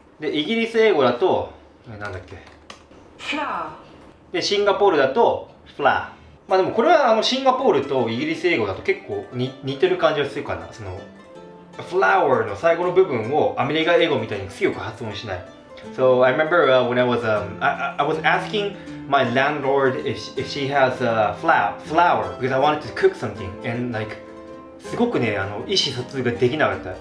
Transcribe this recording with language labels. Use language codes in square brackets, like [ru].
[ja] で、イギリス英語だと、なんだっけ? [en] Flour. [ja] で、シンガポールだとフラー。まあでもこれはシンガポールとイギリス英語だと結構に似てる感じがするかな。そのフラワーの最後の部分をアメリカ英語みたいに強く発音しない。 [en] So I remember when I was asking my landlord if she has a flour because I wanted to cook something and like [ja] すごくね、あの意思疎通ができなかった。